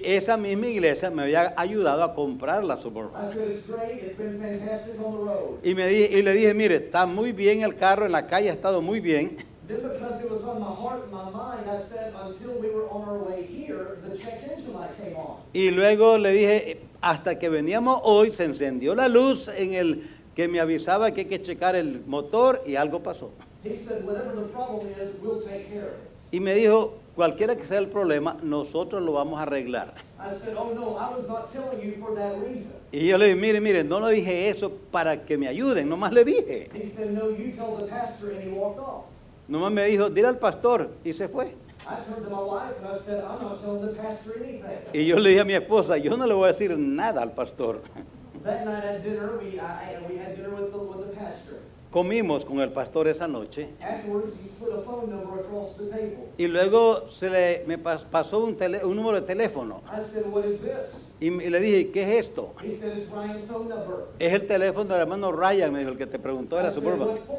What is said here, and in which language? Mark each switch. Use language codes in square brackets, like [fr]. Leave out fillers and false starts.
[es] Y esa misma iglesia me había ayudado a comprar la Suburban. [en] I said, it's great, it's been fantastic on the road. [es] Y le dije, mire, está muy bien el carro, en la calle ha estado muy bien. [en] Then because it was on my heart and my mind, I said, until we were on our way here, the check engine light came on. [es] Y luego le dije, hasta que veníamos hoy, se encendió la luz en el que me avisaba que hay que checar el motor y algo pasó. [en] He said, whatever the problem is, we'll take care of it. [es] Y me dijo, cualquiera que sea el problema, nosotros lo vamos a arreglar. [en] I said, oh no, I was not telling you for that reason. [es] Y yo le dije, mire, no lo dije eso para que me ayuden, nomás le dije. [en] He said, no, you tell the pastor, and he walked off. [es] Nomás me dijo, dile al pastor, y se fue. [en] I turned to my wife and I said, I'm not telling the pastor anything. [es] Y yo le dije a mi esposa, yo no le voy a decir nada al pastor. [en] That night at dinner, we had dinner with the pastor. [es] Comimos con el pastor esa noche. [en] Afterwards, he slid a phone number across the table. [es] Y luego me pasó un número de teléfono. [en] I said, what is this? [es] Y le dije, ¿qué es esto? [en] He said, it's Ryan's phone number. [es] Es el teléfono del hermano Ryan, me dijo, el que te preguntó, era Suburban.